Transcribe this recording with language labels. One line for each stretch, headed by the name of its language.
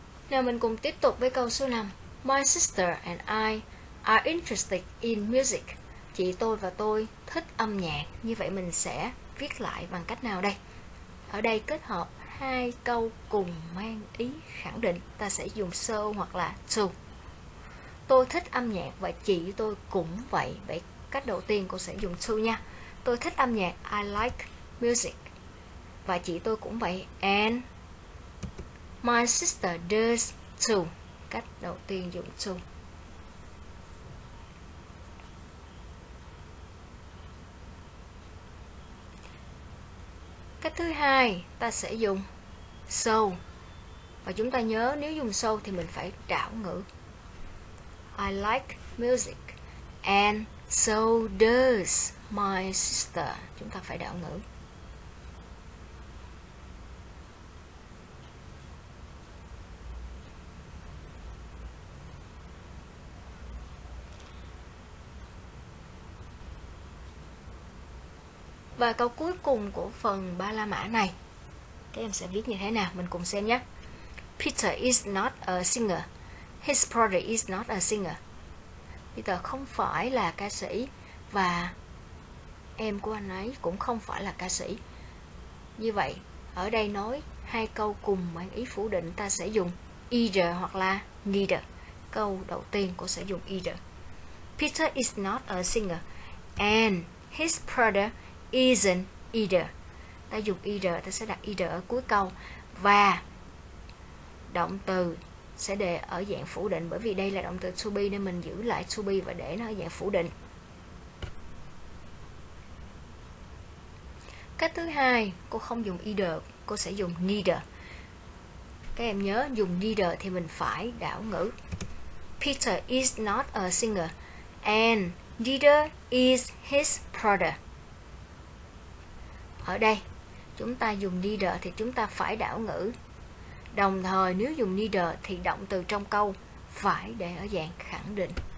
Vietnamese: Nào mình cùng tiếp tục với câu số 5.
English: My sister and I are interested in music.
Vietnamese: Chị tôi và tôi thích âm nhạc. Như vậy mình sẽ viết lại bằng cách nào đây? Ở đây kết hợp hai câu cùng mang ý khẳng định, ta sẽ dùng so hoặc là to. Tôi thích âm nhạc và chị tôi cũng vậy. Vậy cách đầu tiên cô sẽ dùng to nha. Tôi thích âm nhạc,
English: I like music.
Vietnamese: Và chị tôi cũng vậy,
English: and my sister does too.
Vietnamese: Cách đầu tiên dùng to. Cách thứ hai ta sẽ dùng so. Và chúng ta nhớ nếu dùng so thì mình phải đảo ngữ.
English: I like music and so does my sister.
Vietnamese: Chúng ta phải đảo ngữ. Và câu cuối cùng của phần ba la mã này, các em sẽ viết như thế nào? Mình cùng xem nhé.
English: Peter is not a singer. His brother is not a singer.
Vietnamese: Peter không phải là ca sĩ và em của anh ấy cũng không phải là ca sĩ. Như vậy, ở đây nói hai câu cùng mang ý phủ định, ta sẽ dùng either hoặc là neither. Câu đầu tiên của sẽ dùng either.
English: Peter is not a singer and his brother isn't either.
Vietnamese: Ta dùng either, ta sẽ đặt either ở cuối câu và động từ sẽ để ở dạng phủ định, bởi vì đây là động từ to be nên mình giữ lại to be và để nó ở dạng phủ định. Cách thứ hai, cô không dùng either, cô sẽ dùng neither. Các em nhớ dùng neither thì mình phải đảo ngữ.
English: Peter is not a singer and neither is his brother.
Vietnamese: Ở đây chúng ta dùng neither thì chúng ta phải đảo ngữ. Đồng thời nếu dùng neither thì động từ trong câu phải để ở dạng khẳng định.